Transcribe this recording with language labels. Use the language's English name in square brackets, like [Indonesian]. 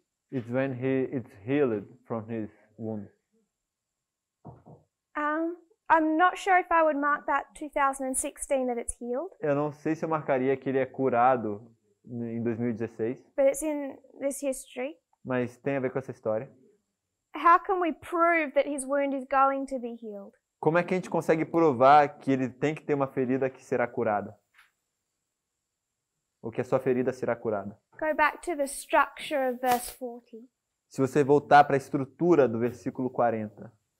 [English] It's when he is healed from his wound. I'm not sure if I would mark that 2016 that it's healed. [Portuguese] Eu não sei se eu marcaria que ele é curado em 2016. [English] But it's in this history. [Portuguese] Mas tem a ver com essa história. [English] How can we prove that his wound is going to be healed? [Portuguese] Como é que a gente consegue provar que ele tem que ter uma ferida que será curada? Ou que a sua ferida será curada? [English] Go back to the structure of verse 40. [Portuguese] Se você voltar para a estrutura do versículo 40.